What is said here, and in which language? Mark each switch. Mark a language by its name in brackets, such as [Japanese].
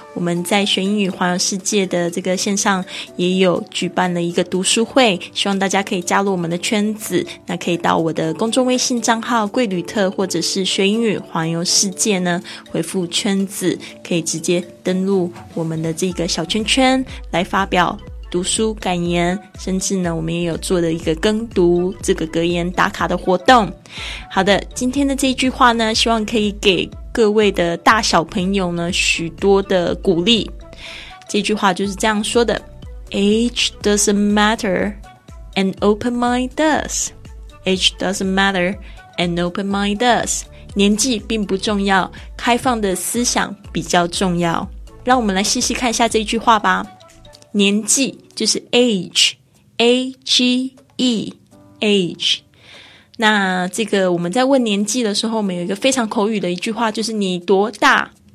[Chinese] 我们在学英语环游世界的这个线上也有举办了一个读书会，希望大家可以加入我们的圈子，那可以到我的公众微信账号贵旅特或者是学英语环游世界呢，回复圈子可以直接登录我们的这个小圈圈来发表读书感言，甚至呢我们也有做了一个跟读这个格言打卡的活动。好的，今天的这一句话呢，希望可以给各位的大小朋友呢许多的鼓励。这句话就是这样说的， [English] Age doesn't matter, an open mind does. Age doesn't matter, an open mind does. [Chinese] 年纪并不重要，开放的思想比较重要。让我们来细细看一下这一句话吧。年纪就是 age 那这个我们在问年纪的时候，我们有一个非常口语的一句话，就是你多大。